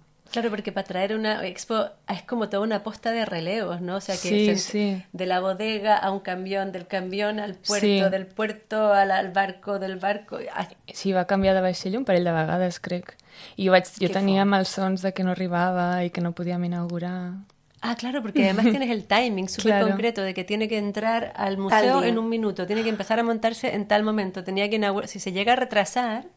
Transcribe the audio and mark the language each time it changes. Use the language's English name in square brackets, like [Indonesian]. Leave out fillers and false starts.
[Spanish] Claro, porque para traer una expo es como toda una posta de relevos, ¿no? O sea, que de la bodega a un camión, del camión al puerto, del puerto al barco, del barco... [Catalan] Sí, va canviar de vaixell un parell de vegades, crec. I jo tenia malsons de que no arribava i que no podíem inaugurar... [Spanish] Ah, claro, porque además tienes el timing súper concreto de que tiene que entrar al museo en un minuto, tiene que empezar a montarse en tal momento, tenía que inaugurar, si se llega a retrasar...